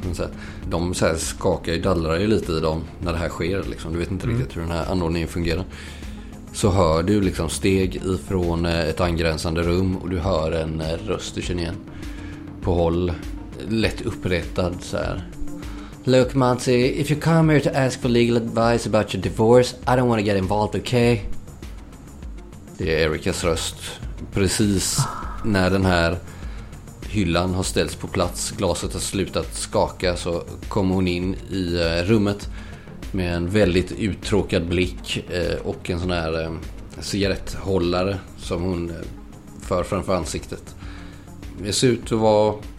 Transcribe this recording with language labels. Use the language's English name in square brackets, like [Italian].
[Swedish] Men så här, de så här skakar ju, dallrar ju lite i dem när det här sker liksom. Du vet inte riktigt hur den här anordningen fungerar. Så hör du liksom steg ifrån ett angränsande rum och du hör en röst du känner igen på håll, lätt upprättad så här. [English] Look, Monty, if you come here to ask for legal advice about your divorce, I don't want to get involved, okay? [Swedish] Det är Erikas röst. Precis när den här hyllan har ställts på plats, glaset har slutat skaka, så kommer hon in i rummet med en väldigt uttråkad blick och en sån här cigaretthållare som hon för framför ansiktet. Det ser ut att vara...